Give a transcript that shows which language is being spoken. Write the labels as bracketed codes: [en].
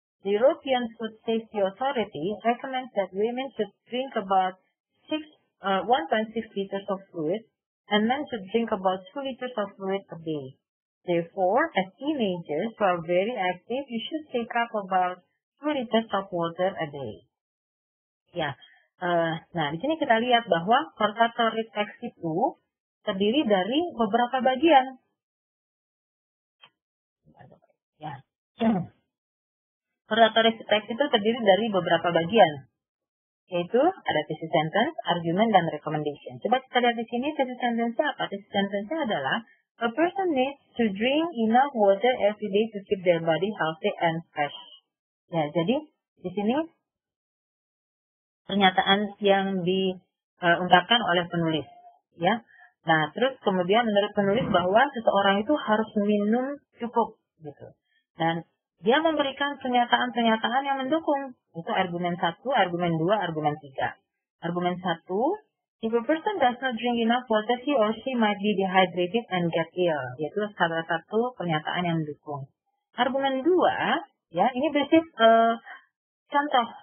[en] The European Food Safety Authority recommends that women should drink about 1.6 liters of fluid and men should drink about 2 liters of fluid a day. Therefore, as teenagers who are very active, you should take up about 2 liters of water a day. Yeah. [id] Nah, di sini kita lihat bahwa hortatory text itu terdiri dari beberapa bagian. Ya. Hortatory text itu terdiri dari beberapa bagian, yaitu ada thesis sentence, argument, dan recommendation. Coba kita lihat di sini thesis sentence apa? Thesis sentence adalah [en] a person needs to drink enough water every day to keep their body healthy and fresh. [id] Ya, jadi di sini pernyataan yang diungkapkan oleh penulis, ya. Nah, terus kemudian menurut penulis bahwa seseorang itu harus minum cukup, gitu. Dan dia memberikan pernyataan-pernyataan yang mendukung. Itu argumen 1, argumen 2, argumen 3. Argumen 1, [en] if a person does not drink enough water, he or she might be dehydrated and get ill. [id] Yaitu salah satu pernyataan yang mendukung. Argumen 2, ya, ini basis contoh.